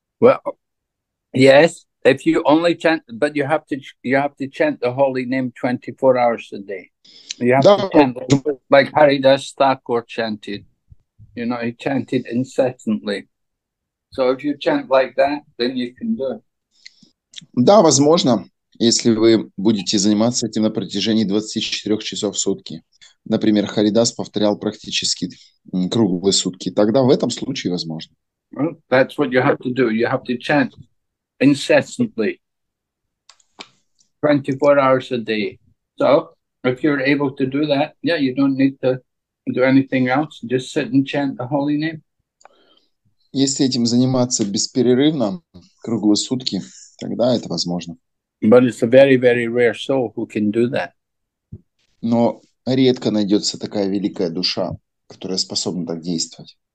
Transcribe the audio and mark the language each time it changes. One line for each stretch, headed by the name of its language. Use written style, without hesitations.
English: Well, yes, if you only chant, but you have to chant the holy name 24 hours a day. You have to chant like Haridas Thakur chanted. You know, he chanted incessantly. So if you chant like that, then you can do it.
Russian: Да, возможно, если вы будете заниматься этим на протяжении 24 часов в сутки. Например, Харидас повторял практически круглые сутки. Тогда в этом случае возможно.
English: Well, that's what you have to do. You have to chant incessantly, 24 hours a day. So, if you're able to do that, yeah, you don't need to do anything else. Just sit and chant the holy name.
Russian: Если этим заниматься бесперерывно, круглые сутки, тогда это возможно.
English: But it's a very, very rare soul who can do that.
Russian: Но редко найдется такая великая душа, которая способна так действовать.